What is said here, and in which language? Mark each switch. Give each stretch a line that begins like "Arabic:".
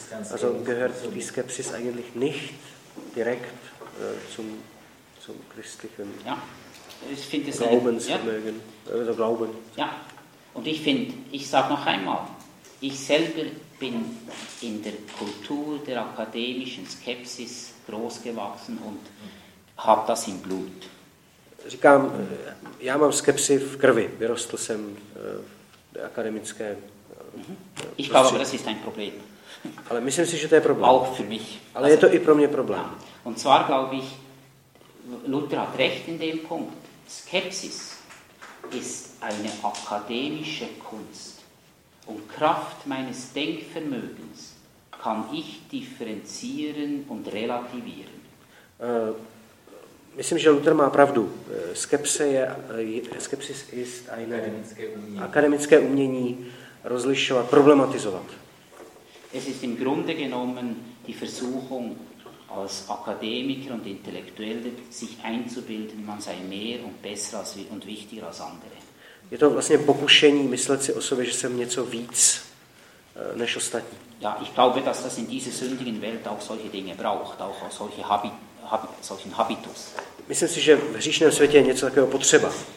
German: Also gehört die Skepsis eigentlich nicht direkt zum christlichen Glaubensvermögen, also Glauben. Ja. Und ich finde, ich sage noch einmal, ich selber bin in der Kultur der akademischen Skepsis groß gewachsen und habe das im Blut.
Czech: Říkám, já mám skepsi v krvi. Vyrostl jsem v akademické
German: Ich glaube, das ist ein Problem.
Czech: Ale myslím si, že to je problém.
German: Auch für mich.
Czech: Ale also, je to i pro mě problém.
German: Ja. Und zwar glaube ich, Luther hat recht in dem Punkt. Skepsis ist eine akademische Kunst. Und Kraft meines Denkvermögens kann ich differenzieren und relativieren.
Czech: Myslím, že Luther má pravdu.
German: Skepsis ist eine
Czech: akademické umění rozlišovat, problematizovat.
German: Es ist im Grunde genommen die Versuchung als Akademiker und Intellektuelle sich einzubilden, man sei mehr und besser als und wichtiger als andere.
Czech: Je to vlastně pokušení myslet si o sobě, že jsem něco víc než ostatní.
German: Ja, ich glaube, dass das in dieser sündigen Welt auch solche Dinge braucht, auch solche solchen Habitus.
Czech: Myslím si, že v hříšném světě je něco takového potřeba.